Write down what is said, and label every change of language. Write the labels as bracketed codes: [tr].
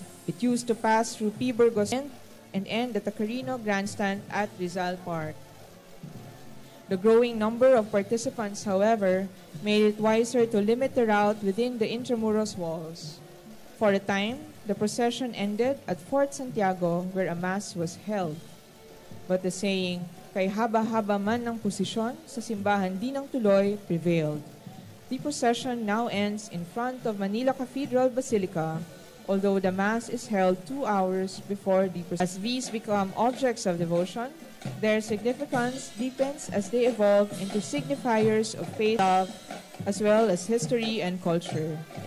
[en] It used to pass through P. Burgos and end at the Carino Grandstand at Rizal Park. The growing number of participants, however, made it wiser to limit the route within the Intramuros walls. For a time, the procession ended at Fort Santiago, where a mass was held. But the saying, [tl] kay haba-haba man ng posisyon, sa simbahan di ng tuloy, [en] prevailed. The procession now ends in front of Manila Cathedral Basilica, although the mass is held 2 hours before the procession. As these become objects of devotion, their significance deepens as they evolve into signifiers of faith, love, as well as history and culture.